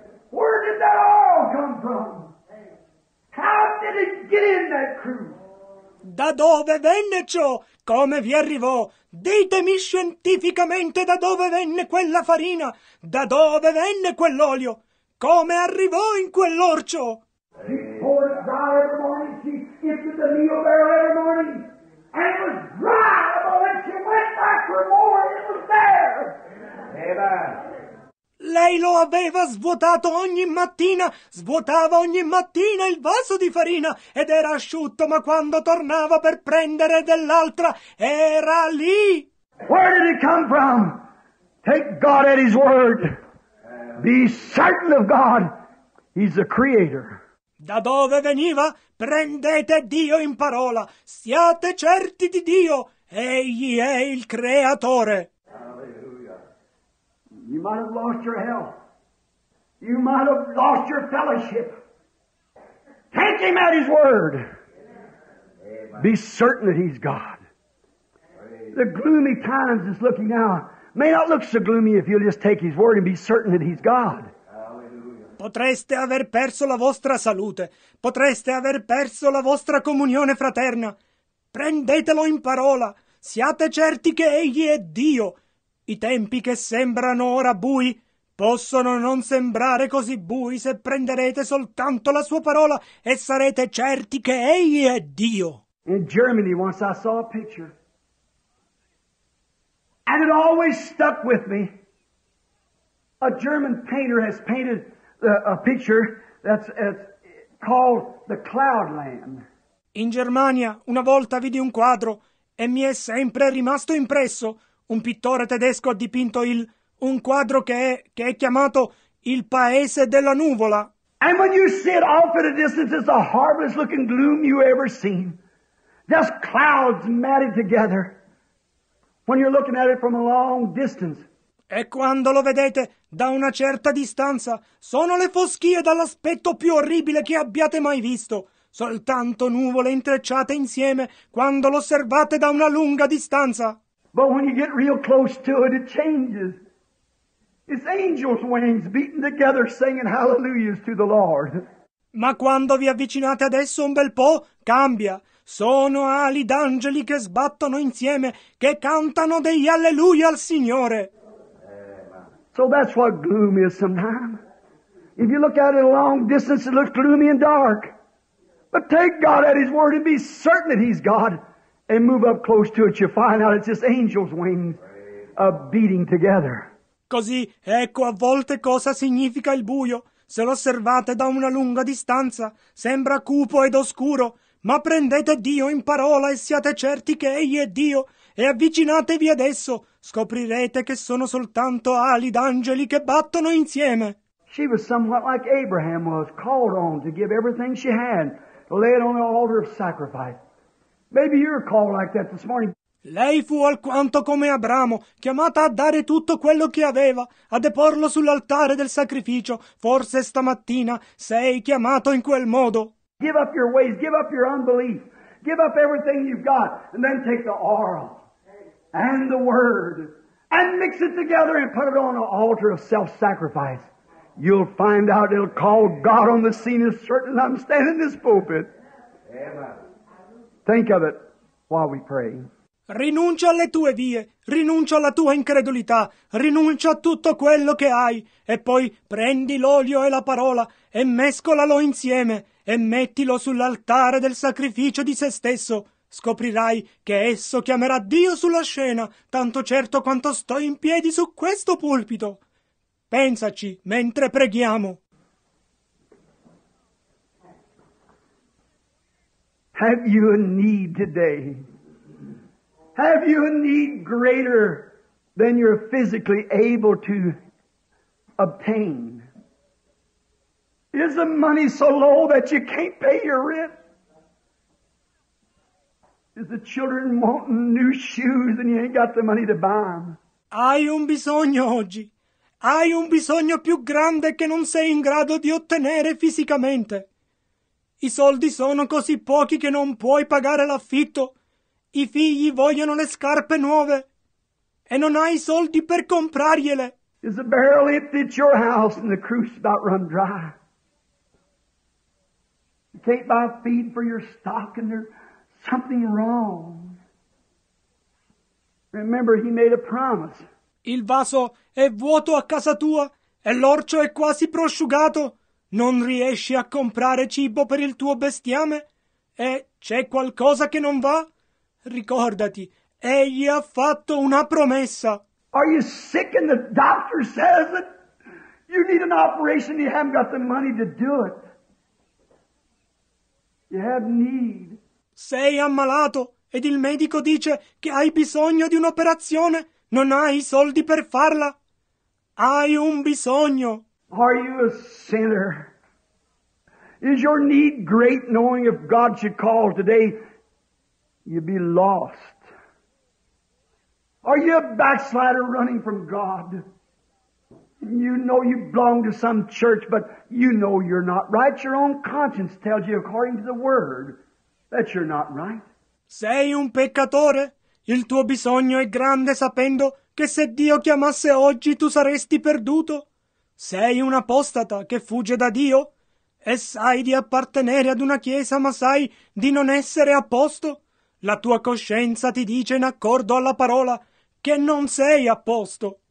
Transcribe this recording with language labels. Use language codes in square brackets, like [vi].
[en] Where did that all come from? How did it get in that crew? [it] Da dove venne ciò? Come vi arrivò? Ditemi scientificamente da dove venne quella farina, da dove venne quell'olio, come arrivò in quell'orcio. [en] She poured it dry every morning, she skipped the meal barrel every morning, and it was dry, but when she went back for more, it was there. Amen. [it] Lei lo aveva svuotato ogni mattina, svuotava ogni mattina il vaso di farina ed era asciutto, ma quando tornava per prendere dell'altra, era lì. [en] Where did it come from? Take God at His word. Be certain of God. He's the creator. [it] Da dove veniva? Prendete Dio in parola. Siate certi di Dio. Egli è il creatore. [en] You might have lost your health. You might have lost your fellowship. Take Him at His word. Amen. Be certain that He's God. Praise the gloomy times is looking now may not look so gloomy if you'll just take His word and be certain that He's God. [it] Potreste aver perso la vostra salute. Potreste aver perso la vostra comunione fraterna. Prendetelo in parola. Siate certi che Egli è Dio. I tempi che sembrano ora bui possono non sembrare così bui se prenderete soltanto la sua parola e sarete certi che Egli è Dio. [en] In Germany once I saw a picture and it always stuck with me. A German painter has painted a picture that's called the Cloud Land. [it] In Germania una volta vidi un quadro e mi è sempre rimasto impresso. Un pittore tedesco ha dipinto un quadro che è chiamato Il paese della nuvola. [en] And when you see it off at a distance, it's the horriblest looking gloom you ever seen. Just clouds matted together. When you're looking at it from a long distance. [it] E quando lo vedete da una certa distanza, sono le foschie dall'aspetto più orribile che abbiate mai visto. Soltanto nuvole intrecciate insieme quando lo osservate da una lunga distanza. [en] But when you get real close to it, it changes. It's angels' wings beating together, singing hallelujahs to the Lord. [it] Ma quando vi avvicinate adesso un bel po', cambia. Sono ali d'angeli che sbattono insieme, che cantano degli alleluia al Signore. [en] So that's what gloom is sometimes. If you look at it a long distance, it looks gloomy and dark. But take God at His word and be certain that He's God, and move up close to it, you find out it's just angels' wings beating together. [it] Così, ecco a volte cosa significa il buio. Se lo osservate da una lunga distanza, sembra cupo ed oscuro, ma prendete Dio in parola e siate certi che Egli è Dio, e avvicinatevi ad esso, scoprirete che sono soltanto ali d'angeli che battono insieme. [en] She was somewhat like Abraham was, called on to give everything she had, to lay it on the altar of sacrifice. Maybe you're called like that this morning. [it] Lei fu alquanto come Abramo, chiamata a dare tutto quello che aveva, a deporlo sull'altare del sacrificio. Forse stamattina sei chiamato in quel modo. [en] Give up your ways, give up your unbelief, give up everything you've got, and then take the oil and the word and mix it together and put it on an altar of self-sacrifice. You'll find out it'll call God on the scene as certain as I'm standing in this pulpit. Amen. Think of it while we pray. [it] Rinuncia alle tue vie, rinuncia alla tua incredulità, rinuncia a tutto quello che hai, e poi prendi l'olio e la parola e mescolalo insieme e mettilo sull'altare del sacrificio di se stesso. Scoprirai che esso chiamerà Dio sulla scena, tanto certo quanto sto in piedi su questo pulpito. Pensaci mentre preghiamo. [en] Have you a need today? Have you a need greater than you're physically able to obtain? Is the money so low that you can't pay your rent? Is the children wanting new shoes and you ain't got the money to buy them? [it] Hai un bisogno oggi. Hai un bisogno più grande che non sei in grado di ottenere fisicamente. I soldi sono così pochi che non puoi pagare l'affitto. I figli vogliono le scarpe nuove e non hai i soldi per compragliele. [en] Is the barrel empty at your house and the crew's about run dry? You can't buy feed for your stock and there's something wrong. Remember, he made a promise. [it] Il vaso è vuoto a casa tua e l'orcio è quasi prosciugato. Non riesci a comprare cibo per il tuo bestiame e c'è qualcosa che non va? Ricordati, egli ha fatto una promessa. [en] Are you sick and the doctor says that you need an operation, you haven't got the money to do it. You have need. [it] Sei ammalato ed il medico dice che hai bisogno di un'operazione, non hai i soldi per farla. Hai un bisogno. [en] Are you a sinner? Is your need great knowing if God should call today? You'd be lost. Are you a backslider running from God? You know you belong to some church, but you know you're not right. Your own conscience tells you, according to the Word, that you're not right. [it] Sei un peccatore. Il tuo bisogno è grande sapendo che se Dio chiamasse oggi tu saresti perduto. Sei un apostata che fugge da Dio e sai di appartenere ad una chiesa, ma sai di non essere a posto. La tua coscienza ti dice in accordo alla parola che non sei a posto.